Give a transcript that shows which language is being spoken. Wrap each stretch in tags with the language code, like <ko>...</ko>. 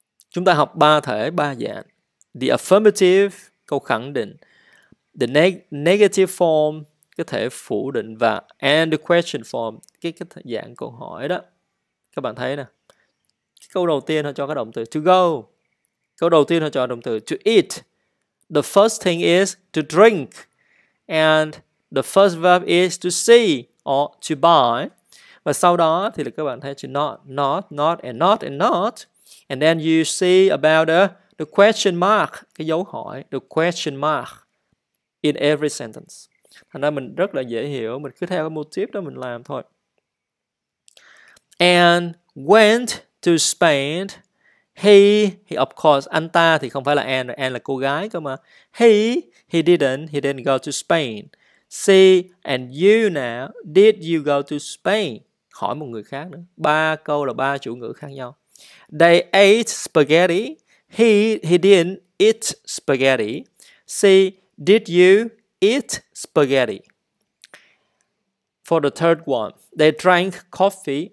<vi>Chúng ta học ba thể, ba dạng.</vi> <en>The affirmative,</en> <vi>câu khẳng định.</vi> <en>The negative form,</en> <vi>cái thể phủ định. Và</vi> <en>and the question form,</en> <vi>cái dạng câu hỏi đó. Các bạn thấy nè. Câu đầu tiên họ cho cái động từ to go. Câu đầu tiên họ cho động từ to eat.</vi> <en>The first thing is to drink. And the first verb is to see or to buy.</en> <vi>Và sau đó thì là các bạn thấy to not, not, not, and not, and not.</vi> <en>And then you see about the question mark,</en> <vi>cái dấu hỏi,</vi> <en>the question mark in every sentence.</en> <vi>Thành ra mình rất là dễ hiểu, mình cứ theo cái motif đó mình làm thôi.</vi> <en>And went to Spain, he of course,</en> <vi>anh ta thì không phải là Anne là cô gái cơ mà.</vi> <en>He didn't go to Spain. She and you now, did you go to Spain?</en> <vi>Hỏi một người khác nữa. Ba câu là ba chủ ngữ khác nhau.</vi> <en>They ate spaghetti. He didn't eat spaghetti. She, did you eat spaghetti? For the third one, they drank coffee.</en>